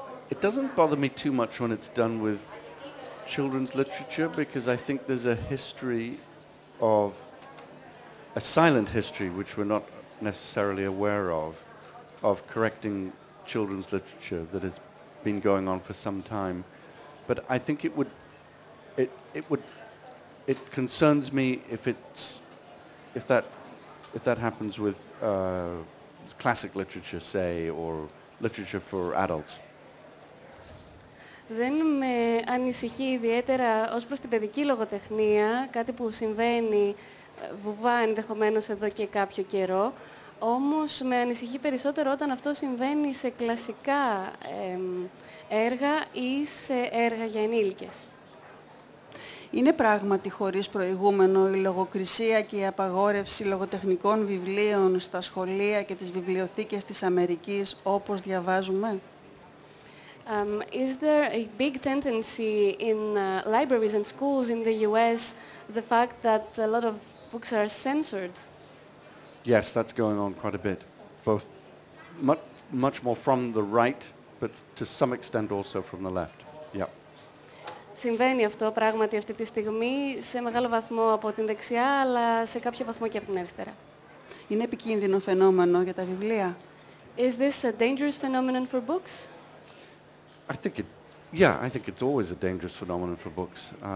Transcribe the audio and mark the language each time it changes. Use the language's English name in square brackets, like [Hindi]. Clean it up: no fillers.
[English] It doesn't bother me too much when it's done with children's literature, because I think there's a history of a silent history, which we're not necessarily aware of correcting children's literature that has been going on for some time. But I think it concerns me if that happens with classic literature, say, or literature for adults. [Greek] Δεν με ανησυχεί ιδιαίτερα ως προς την παιδική λογοτεχνία, κάτι που συμβαίνει βουβά ενδεχομένως εδώ και κάποιο καιρό. Όμως με ανησυχεί περισσότερο όταν αυτό συμβαίνει σε κλασικά έργα ή σε έργα για ενήλικες. Είναι πράγματι χωρίς προηγούμενο η λογοκρισία και η απαγόρευση λογοτεχνικών βιβλίων στα σχολεία και τις βιβλιοθήκες της Αμερικής όπως διαβάζουμε? [English] Is there a big tendency in libraries and schools in the U.S. the fact that a lot of books are censored? Yes, that's going on quite a bit, both much, much more from the right, but to some extent also from the left. Yeah. [Greek] Συμβαίνει αυτό πράγματι αυτή τη στιγμή σε μεγάλο βαθμό από την δεξιά, αλλά σε κάποιο βαθμό και από την αριστερά. Είναι επικίνδυνο φαινόμενο για τα βιβλία? [English] Is this a dangerous phenomenon for books? I think it's always a dangerous phenomenon for books.